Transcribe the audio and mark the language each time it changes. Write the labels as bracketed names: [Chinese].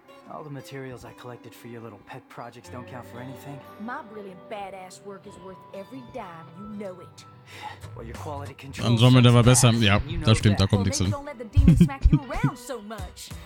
[English] All the materials I collected for your little pet projects don't count for anything. My brilliant badass work is worth every dime, you know it. Well, your quality control. [German] Dann sollen wir da mal besser. Ja, das stimmt, da kommt nichts hin. [English] Don't let the demon smack you around so much.